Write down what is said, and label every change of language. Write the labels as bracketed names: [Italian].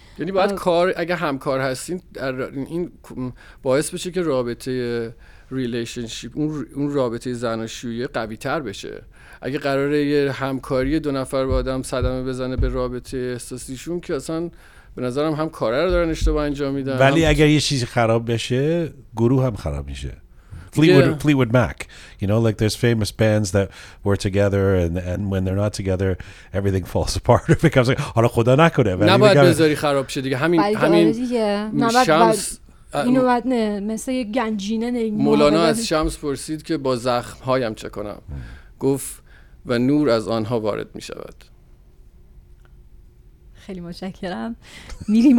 [Persian] یعنی باید کار، اگه همکار هستین در این باعث بشه که رابطه ریلیشنشیپ، اون رابطه زناشویی قوی تر بشه. اگه قراره یه همکاری دو نفر با آدم صدمه بزنه به رابطه احساسیشون، که اصلا به نظرم هم کار رو دارن اشتباه انجام میدن. ولی اگر یه چیزی خراب بشه گروه هم خراب میشه. [English] Fleetwood Mac, you know, like there's famous bands that were together and when they're not together everything falls apart. It becomes like [Persian] حالا خدا نکنه. نه باید بذاری خراب شه دیگه. همین شمس اینو باید نه مثل یه گنجینه نگمه. مولانا از شمس پرسید که با زخم هایم چه کنم، گفت و نور از آنها وارد می شود. خیلی متشکرم. میریم.